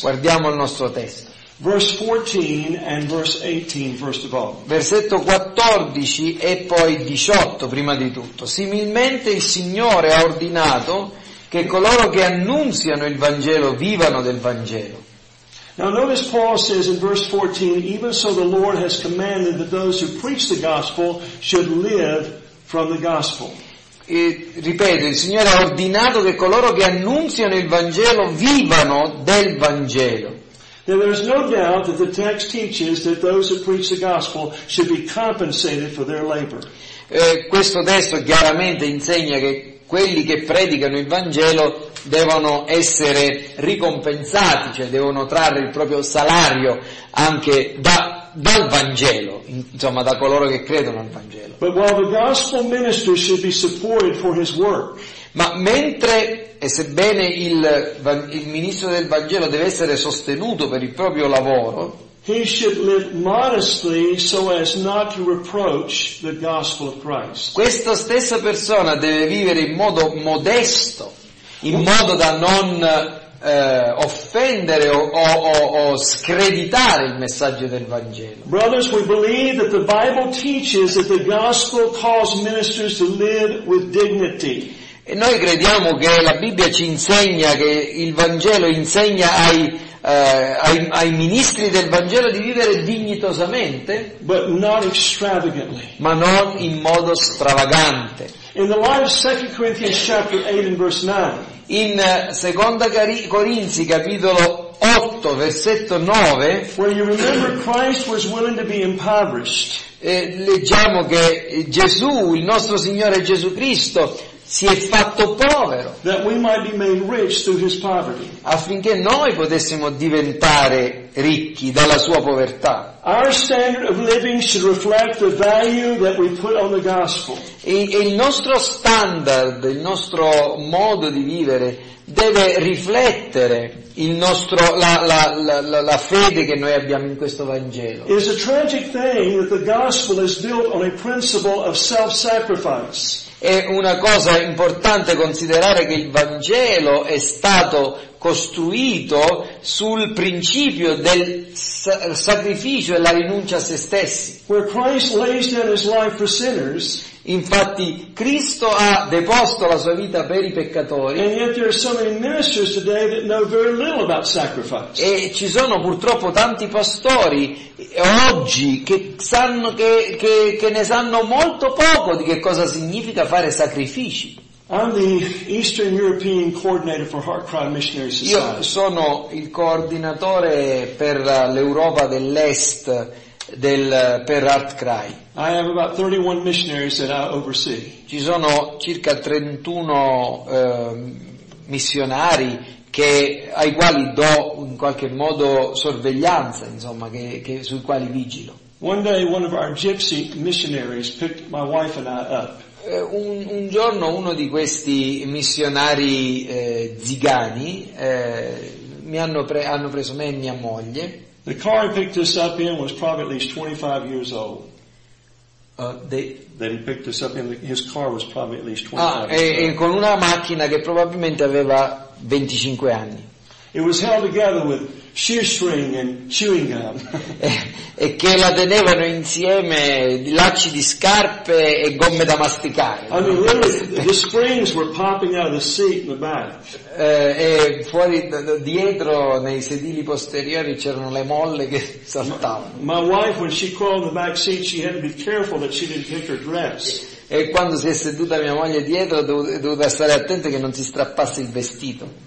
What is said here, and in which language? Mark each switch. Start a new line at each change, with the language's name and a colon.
Italian: Guardiamo il nostro testo.
English: Verse 14 and verse 18, first of all.
Italian: Versetto 14 e poi 18, prima di tutto. Similmente il Signore ha ordinato che coloro che annunziano il Vangelo vivano del Vangelo.
English: Now notice Paul says in verse 14, even so the Lord has commanded that those who preach the gospel should live from the gospel.
Italian: E, ripeto, il Signore ha ordinato che coloro che annunziano il Vangelo vivano del Vangelo.
English: Now there is no doubt that the text teaches that those who preach the gospel should be compensated for their labor.
Italian: Questo testo chiaramente insegna che quelli che predicano il Vangelo devono essere ricompensati, cioè devono trarre il proprio salario anche dal Vangelo, insomma da coloro che credono al Vangelo.
English: But while the gospel minister should be supported for his work.
Italian: Ma mentre e sebbene il ministro del Vangelo deve essere sostenuto per il proprio lavoro,
English: he should live modestly so as not to reproach the gospel of Christ.
Italian: Questa stessa persona deve vivere in modo modesto, in modo da non offendere o screditare il messaggio del Vangelo.
English: Brothers, we believe that the Bible teaches that the gospel calls ministers to live with dignity.
Italian: E noi crediamo che la Bibbia ci insegna, che il Vangelo insegna ai ministri del Vangelo di vivere dignitosamente,
English: but not extravagantly.
Italian: Ma non in modo stravagante.
English: In the light of 2 Corinthians chapter 8 and verse 9,
Italian: in Seconda Corinzi capitolo 8, versetto 9,
English: when you remember Christ was willing to be impoverished.
Italian: Leggiamo che Gesù, il nostro Signore Gesù Cristo, si è fatto povero,
English: that we might be made rich through his poverty,
Italian: affinché noi potessimo diventare ricchi dalla sua povertà.
English: Our standard of living should reflect the value that we put on the gospel.
Italian: E il nostro standard, il nostro modo di vivere deve riflettere il nostro, la fede che noi abbiamo in questo Vangelo.
English: It is a tragic thing that the gospel is built on a principle of self-sacrifice.
Italian: È una cosa importante considerare che il Vangelo è stato costruito sul principio del sacrificio e la rinuncia a se stessi.
English: Where Christ lays down his life for sinners,
Italian: infatti Cristo ha deposto la sua vita per i peccatori,
English: and yet there are so many ministers today that know very little about sacrifice.
Italian: E ci sono purtroppo tanti pastori oggi che sanno che ne sanno molto poco di che cosa significa fare sacrifici.
English: I'm the Eastern European coordinator for Heart Cry Missionary Society.
Italian: Io sono il coordinatore per l'Europa dell'Est per Heart Cry.
English: I have about 31 missionaries that I oversee.
Italian: Ci sono circa 31 missionari che ai quali do in qualche modo sorveglianza, insomma, che sui quali vigilo.
English: One day one of our gypsy missionaries picked my wife and I up.
Italian: Un giorno uno di questi missionari zigani hanno preso me e mia moglie.
English: The car I picked us up in was probably at least 25 years old. They picked us up in his car was probably at least 25 years old.
Italian: E con una macchina che probabilmente aveva 25 anni.
English: It was held together with shoestring and chewing gum.
Italian: E che la tenevano insieme di lacci di scarpe e gomme da masticare.
English: I mean, the springs were popping out of the seat in the back.
Italian: E fuori dietro nei sedili posteriori c'erano le molle che saltavano.
English: My wife, when she crawled in the back seat, she had to be careful that she didn't hit her dress.
Italian: E quando si è seduta mia moglie dietro è dovuta stare attenta che non si strappasse il vestito.